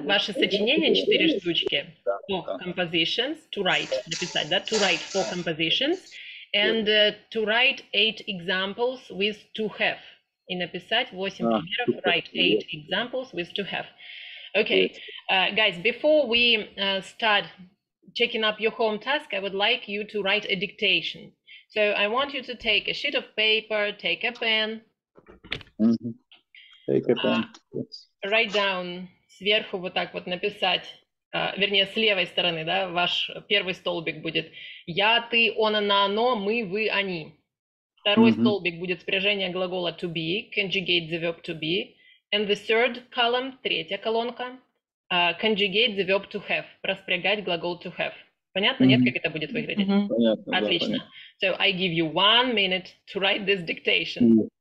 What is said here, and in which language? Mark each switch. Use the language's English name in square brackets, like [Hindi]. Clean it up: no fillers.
[Russian] Ваше сочинение, четыре штучки. [English] Four compositions to write, [Russian] написать, да? [English] To write four compositions. And to write eight examples with to have. [Russian] И написать восемь примеров, [English] write eight examples with to have. Okay, guys, before we start checking up your home task, I would like you to write a dictation. So I want you to take a sheet of paper, take a pen. Mm-hmm. Take it down. Yes. Write down [Russian] сверху вот так вот написать, вернее с левой стороны, да, ваш первый столбик будет я, ты, он, она, оно, мы, вы, они. Второй столбик будет спряжение глагола [English] to be, conjugate the verb to be, and the third column, [Russian] третья колонка, [English] conjugate the verb to have, [Russian] распрягать глагол [English] to have. [Russian] Понятно, нет, как это будет выглядеть? Понятно. Отлично. Да, [English] so I give you 1 minute to write this dictation.